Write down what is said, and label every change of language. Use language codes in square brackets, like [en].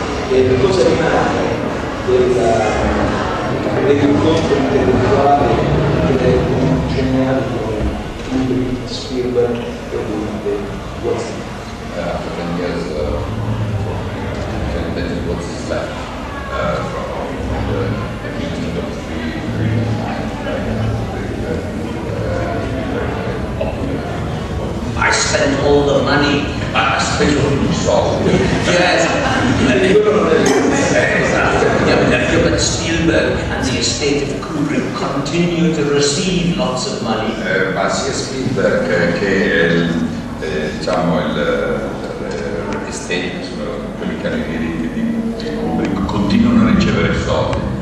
[it] E cosa rimane dell'incontro intellettuale che è un geniale come Kubrick, Spielberg e ovviamente Watson? [en] After 10 years, and then what's left from the meeting of three I spent all the money but Spielberg and the estate of Kubrick continue to receive lots of money. [it] Ma sia Spielberg che l'estate, quelli che hanno i diritti di Kubrick, continuano a ricevere soldi.